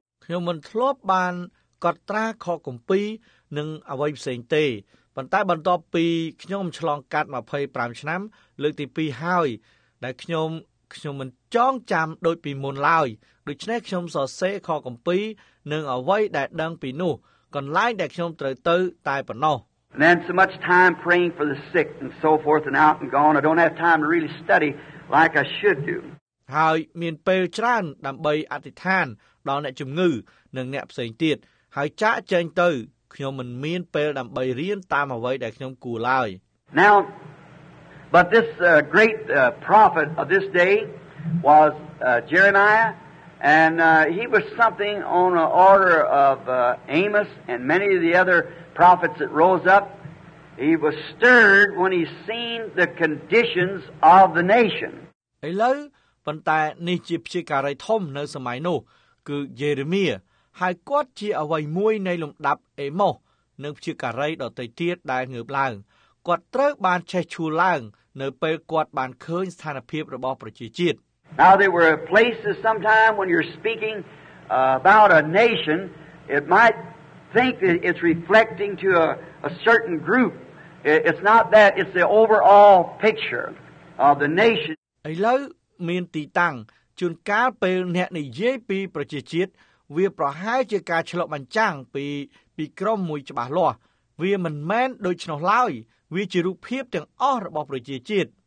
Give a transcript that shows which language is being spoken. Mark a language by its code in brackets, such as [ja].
[km] ខ្ញុំមិនធ្លាប់បានកត់ត្រាខកំពីនឹងអ្វីផ្សេងទេប៉ុន្តែបន្ទាប់ពីខ្ញុំឆ្លងកាត់25ឆ្នាំលើកទី2ហើយដែលខ្ញុំមិនចងចាំដូចពីមុនឡើយដូច្នេះខ្ញុំសរសេរខកំពីនឹងអ្វីដែលដឹងពីនោះកន្លែងដែលខ្ញុំត្រូវទៅតែប៉ុណ្ណោះ [en] And so much time praying for the sick and so forth and out and gone I don't have time to really study like I should do [km] ហើយមានពេលច្រើនដើម្បីអធិដ្ឋានដល់អ្នកជំងឺនិងអ្នកផ្សេងទៀតហើយចាក់ចែងទៅខ្ញុំមិនមានពេលដើម្បីរៀនតាមអ្វីដែលខ្ញុំគួរឡើយ [en] Now but this great prophet of this day was Jeremiah and he was something on the order of Amos and many of the other prophets that rose up he was stirred when he seen the conditions of the nation [km] ឥឡូវប៉ុន្តែនេះជាព្យាការីធំនៅសម័យនោះគឺយេរេមៀហើយគាត់ជាអ្វីមួយនៃលំដាប់អេម៉ូសនឹងព្យាការីដល់ទីទៀតដែលងើបឡើងគាត់ត្រូវបានឆេះឈួរឡើងនៅពេលគាត់បានឃើញស្ថានភាពរបស់ប្រជាជាតិ [en] Now there were places sometime when you're speaking about a nation it might think that it's reflecting to a certain group it's not that it's the overall picture of the nation [km] ឥឡូវមានទីតាំងជួនកាលពេលអ្នកនិយាយពីប្រជាជាតិវាប្រហែលជាការឆ្លកបញ្ចាំងពីក្រុមមួយច្បាស់លាស់វាមិនមែនដូច្នោះឡើយវាជារូបភាពទាំងអស់របស់ប្រជាជាតិ